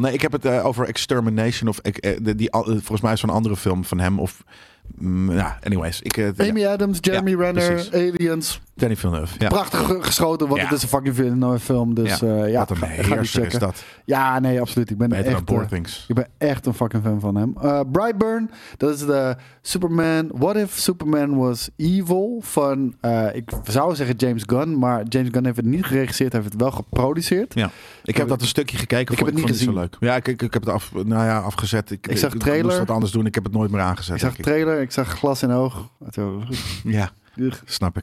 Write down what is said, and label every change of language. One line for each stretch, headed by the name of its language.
Dutch: Nee, ik heb het over Extermination. Volgens mij is zo'n andere film van hem. Of anyways. Adams, Jeremy Renner, precies. Aliens. Danny Villeneuve. Ja. Prachtig geschoten, want het is een fucking Villeneuve film. Dus ja. Wat een heerser is dat. Ja, nee, absoluut. Ik ben echt een fucking fan van hem. Brightburn, dat is de Superman.
English: What if Superman was evil?
Dutch: Van, ik zou zeggen James Gunn, maar James Gunn heeft het niet geregisseerd. Hij heeft het wel geproduceerd. Ja. Ik heb een stukje gekeken. Ik heb het niet gezien. Niet zo leuk. Ja, ik heb het afgezet. Ik zag trailer. Ik moest wat anders doen. Ik heb het nooit meer aangezet. Ik zag trailer. Ik zag glas in oog. Ja. Ugh. Snap ik.